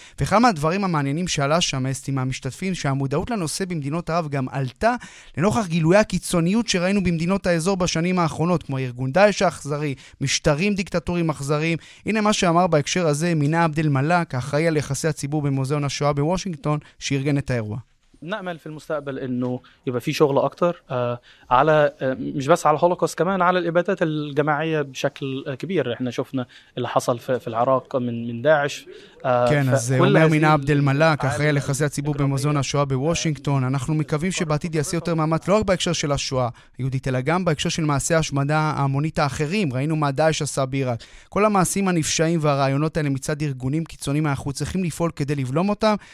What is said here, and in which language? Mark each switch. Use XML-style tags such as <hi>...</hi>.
<he>ואחד מהדברים המעניינים שעלה שם, אסתי, מהמשתתפים, שהמודעות לנושא במדינות ערב גם עלתה לנוכח גילויי הקיצוניות שראינו במדינות האזור בשנים האחרונות, כמו ארגון דאעש האכזרי, משטרים דיקטטוריים אכזריים. הנה מה שאמר בהקשר הזה מינה עבד אל-מלאק, אחראי על יחסי הציבור במוזיאון השואה בוושינגטון, שארגן את האירוע.</he> <ar>نأمل في المستقبل انه يبقى في شغل اكتر على مش بس على الهولوكوست كمان على الابادات الجماعيه بشكل كبير احنا شفنا اللي حصل في العراق من داعش</ar> <he>כן, אז אומר מן עבד אל-מלאק, אחרי לחסי הציבור במוזיאון השואה בוושינגטון, אנחנו מקווים שבעתיד יעשה יותר מאמץ לא רק בהקשר של השואה היהודית, אלא גם בהקשר של מעשי השמדה ההמונית האחרים. ראינו מה דאעש עשה בעיראק. כל המעשים הנפשעים והרעיונות האלה מצד ארגונים קיצוניים, אנחנו צריכים לפעול כדי לבלום אותם.</he>